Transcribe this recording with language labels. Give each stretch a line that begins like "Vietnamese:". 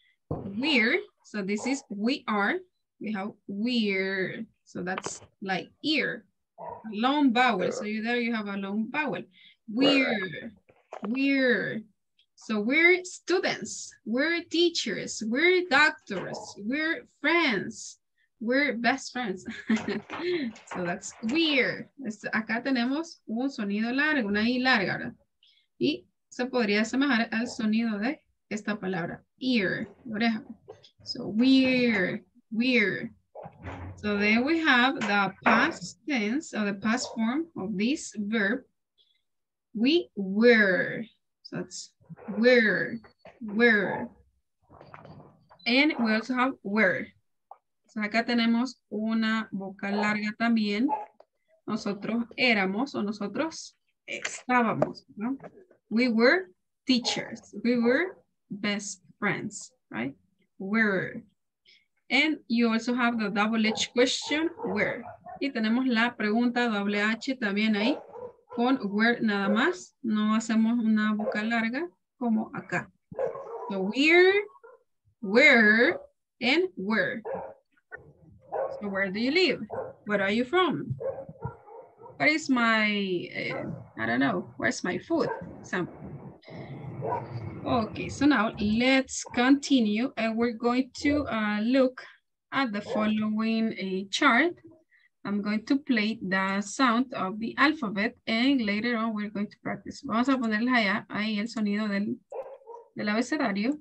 English: We're, so this is we are, we have we're, so that's like ear, long vowel, so you there you have a long vowel. We're, so we're students, we're teachers, we're doctors, we're friends, we're best friends. So that's weird.
Spanish: Acá tenemos un sonido largo, una I larga, ¿verdad? Y se podría asemejar al sonido de esta palabra, ear, oreja.
English: So weird. So then we have the past tense or the past form of this verb. We were. So that's were. And we also have were.
Spanish: So acá tenemos una vocal larga también. Nosotros éramos o nosotros estábamos, ¿no?
English: We were teachers. We were best friends, right? Were. And you also have the double H question, were.
Spanish: Y tenemos la pregunta doble H también ahí con were nada más. No hacemos una vocal larga como acá.
English: So we're, were, and were. So where do you live? Where are you from? Where is my, I don't know, where's my food? Example. Okay, so now let's continue and we're going to look at the following chart. I'm going to play the sound of the alphabet and later on we're going to practice.
Spanish: Vamos a ponerle allá, ahí el sonido del abecedario.